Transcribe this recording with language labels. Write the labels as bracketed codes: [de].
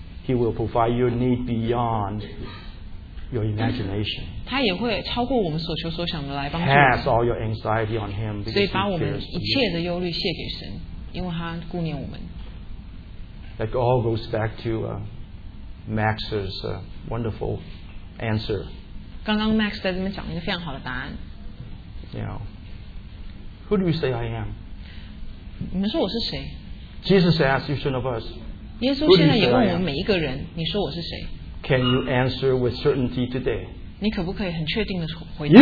[en] He will provide your need beyond your imagination. [zh] 他也会超过我们所求所想的来帮助。 [en] Cast all your anxiety on Him. [zh] 所以把我们一切的忧虑卸给神，因为他顾念我们。 [en] That all goes back to Max's wonderful answer. [zh] 刚刚 Max 在这边讲了一个非常好的答案。 [en] Yeah. Who do you say I am? [zh] 你们说我是谁？ [en] Jesus asked each one of us. [zh] 耶稣现在也问我们每一个人，你说我是谁？ [en] Can you answer with certainty today? [zh] 你可不可以很确定的回答？